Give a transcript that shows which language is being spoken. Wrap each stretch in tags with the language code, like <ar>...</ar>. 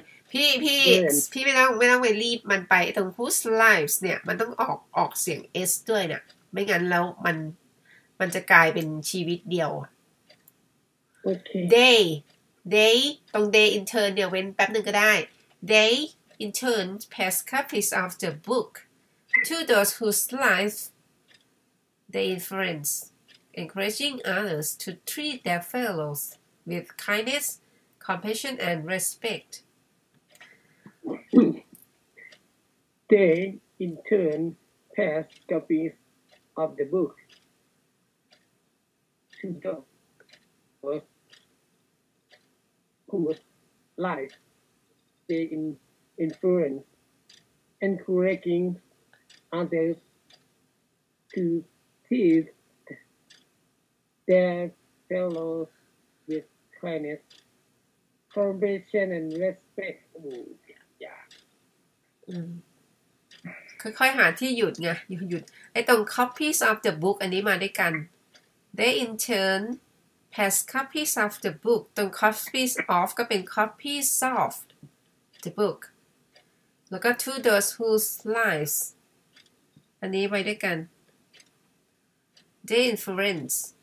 <th>พี่ไม่ต้องไปรีบมันไปตรง</th> <en>whose lives</en> <th>เนี่ยมันต้องออกเสียง s ด้วยเนี่ยไม่งั้นแล้วมันจะกลายเป็นชีวิตเดียว</th> <en>okay. they</en> <th>ตรง</th> <en>they in turn</en> <th>เดี๋ยวเว้นแป๊บนึงก็ได้</th> <en>they in turn pass copies of the book to those whose lives they influence encouraging others to treat their fellowswith kindness, compassion, and respect. They, in turn, pass copies of the book to those whose life they influence, encouraging others to teach their fellows withkindness, compassion, and respect. Yeah.</en> <th>ค่อยๆหาที่หยุดไงหยุดไอ้ตรง</th> <en>copies of the book</en> <th>อันนี้มาด้วยกัน</th> <en>they in turn pass copies of the book</en> <th>ตรง copies of ก็เป็น copies of the book แล้วก็</th> <en>to those whose lives</en> <th>อันนี้ไปด้วยกัน</th> <en>they influence</en>